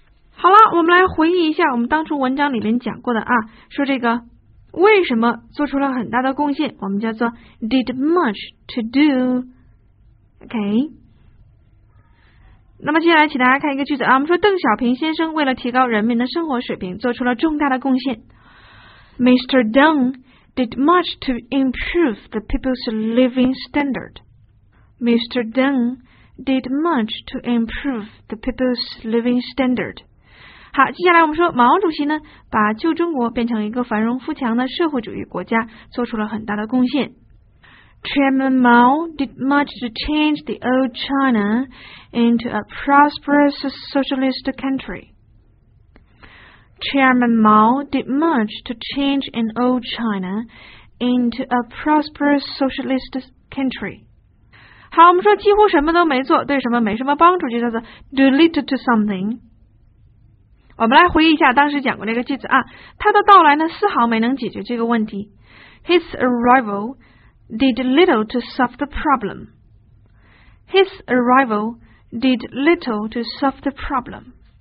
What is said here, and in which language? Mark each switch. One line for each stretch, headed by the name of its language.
Chinese: 好了，我们来回忆一下我们当初文章里面讲过的啊，说这个为什么做出了很大的贡献，我们叫做
English: did much to do。
Chinese: OK， 那么接下来请大家看一个句子啊，我们说邓小平先生为了提高人民的生活水平做出了重大的贡献。
English: Mr. Deng did much to improve the people's living standard. Mr. Deng did much to improve the people's living standard。
Chinese: 好，接下来我们说毛主席呢，把旧中国变成一个繁荣富强的社会主义国家做出了很大的贡献。
English: Chairman Mao did much to change the old China into a prosperous socialist country. Chairman Mao did much to change an old China into a prosperous socialist country.
Chinese: 好，我们说几乎什么都没做，对什么没什么帮助，就叫做
English: do little to something。
Chinese: 我们来回忆一下当时讲过这个句子啊，他的到来呢丝毫没能解决这个问题。
English: His arrival did little to solve the problem. His arrival did little to solve the problem.